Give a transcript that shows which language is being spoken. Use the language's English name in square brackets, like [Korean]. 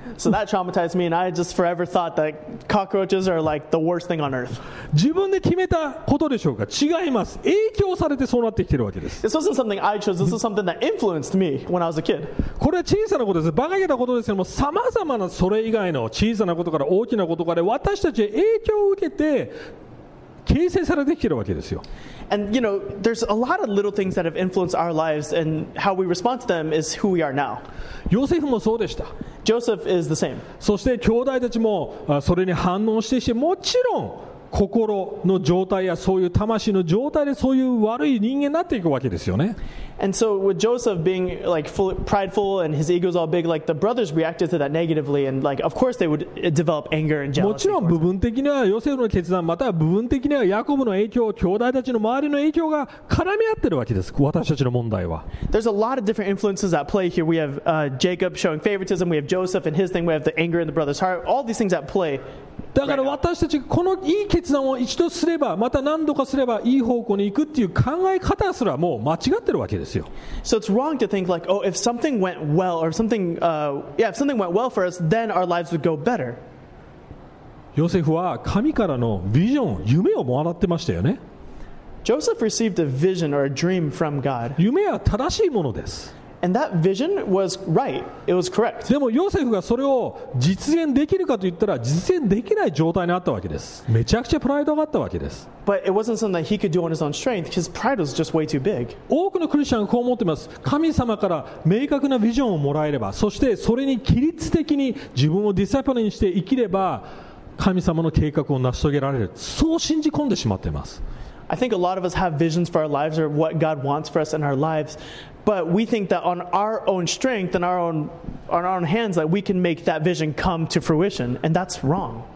[English] So that traumatized me, and I just forever thought that cockroaches are like the worst thing on earth. [Japanese] 自分で決めたことでしょうか？違います。影響されてそうなってきてるわけです。 [English] This wasn't something I chose. This is something that influenced me when I was a kid. [Japanese] これは小さなことです。馬鹿げたことですけども、さまざまなそれ以外の小さなことから大きなことから私たちは影響を受けて形成されてきてるわけですよ。 [English] And you know, there's a lot of little things that have influenced our lives and how we respond to them is who we are now. [Japanese] ヨセフもそうでした。 [English] Joseph is the same. [Japanese] そして兄弟たちもそれに反応してしてもちろん心の状態やそういう魂の状態でそういう悪い人間になっていくわけですよね。 [English] And so with Joseph being like full, prideful and his ego's all big, like the brothers reacted to that negatively and like of course they would develop anger and jealousy. [Japanese] もちろん部分的にはヨセフの決断または部分的にはヤコブの影響、兄弟たちの周りの影響が絡み合ってるわけです。私たちの問題は。 [English] There's a lot of different influences at play here. We have Jacob showing favoritism. We have Joseph and his thing. We have the anger in the brothers' heart. All these things at play. [Japanese] だから私たちこのいい決断を一度すればまた何度かすればいい方向に行くっていう考え方すらもう間違ってるわけですよ。 [English] So it's wrong to think like, oh, if something went well or something, if something went well for us, then our lives would go better. [Japanese] ヨセフは神からのビジョン、夢をもらってましたよね。 [English] Joseph received a vision or a dream from God. [Japanese] 夢は正しいものです。 [English] And that vision was right. It was correct. [Japanese] でもヨセフがそれを実現できるかといったら実現できない状態にあったわけです。めちゃくちゃプライドがあったわけです。 [English] But it wasn't something that he could do on his own strength. His pride was just way too big. [Japanese] 多くのクリスチャンはこう思っています。神様から明確なビジョンをもらえれば、そしてそれに規律的に自分をディサプリンして生きれば、神様の計画を成し遂げられる。そう信じ込んでしまっています。 [English] I think a lot of us have visions for our lives or what God wants for us in our lives, but we think that on our own strength and our own hands that we can make that vision come to fruition, and that's wrong.